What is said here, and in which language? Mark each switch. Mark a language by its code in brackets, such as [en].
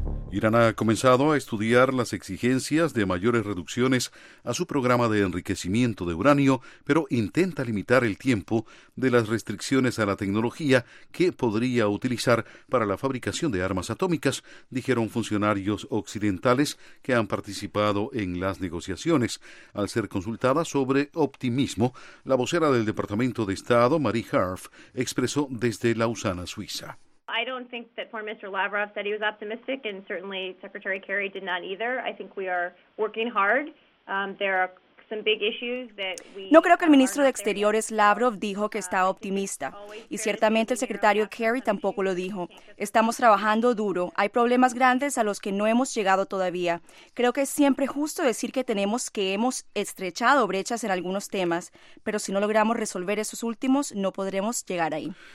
[es] Irán ha comenzado a estudiar las exigencias de mayores reducciones a su programa de enriquecimiento de uranio, pero intenta limitar el tiempo de las restricciones a la tecnología que podría utilizar para la fabricación de armas atómicas, dijeron funcionarios occidentales que han participado en las negociaciones. Al ser consultada sobre optimismo, la vocera del Departamento de Estado, Marie Harf, expresó desde Lausana, Suiza. [en] I don't think that Foreign Minister Lavrov said he was optimistic, and certainly Secretary Kerry did not either. I think we are working hard. There are some big issues that we. [es] No creo que el ministro de Exteriores Lavrov dijo que estaba optimista, y ciertamente el secretario Kerry tampoco lo dijo. Estamos trabajando duro. Hay problemas grandes a los que no hemos llegado todavía. Creo que es siempre justo decir que hemos estrechado brechas en algunos temas, pero si no logramos resolver esos últimos, no podremos llegar ahí.